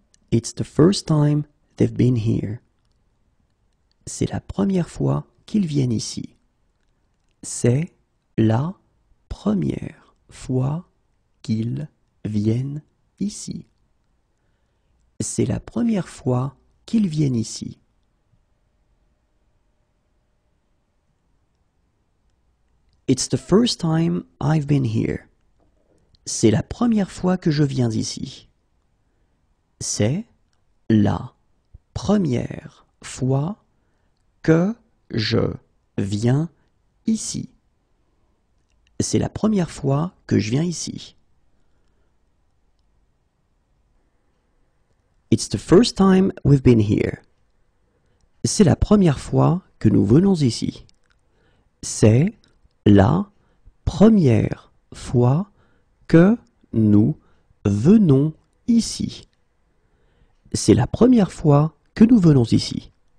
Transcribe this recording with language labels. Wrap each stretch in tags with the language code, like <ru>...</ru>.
<en>It's the first time they've been here.</en> <fr>C'est la première fois qu'ils viennent ici. C'est la première fois qu'ils viennent ici. C'est la première fois qu'ils viennent ici.</fr> <en>It's the first time I've been here.</en> <fr>C'est la première fois que je viens ici. C'est la première fois que je viens ici. C'est la première fois que je viens ici.</fr> <en>It's the first time we've been here.</en> <fr>C'est la première fois que nous venons ici. C'est la première fois que nous venons ici. C'est la première fois que nous venons ici.</fr>